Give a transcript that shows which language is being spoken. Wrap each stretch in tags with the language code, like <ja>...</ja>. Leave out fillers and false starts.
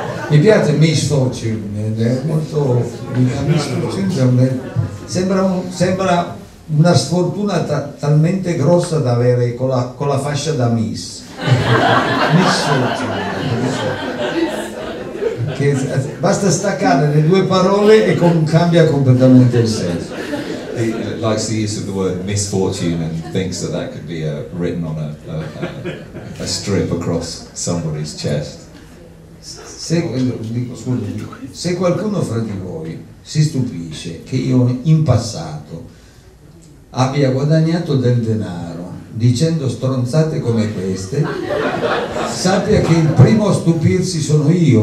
<it>Mi piace misfortune, è molto misfortune, sembra una sfortuna talmente grossa da avere con la fascia da miss. Che basta staccare le due parole e cambia completamente il senso.</it> <en>He likes the use of the word misfortune and thinks that could be written on a strip across somebody's chest.</en> <it>Se qualcuno fra di voi si stupisce che io in passato abbia guadagnato del denaro dicendo stronzate come queste, sappia che il primo a stupirsi sono io.</it>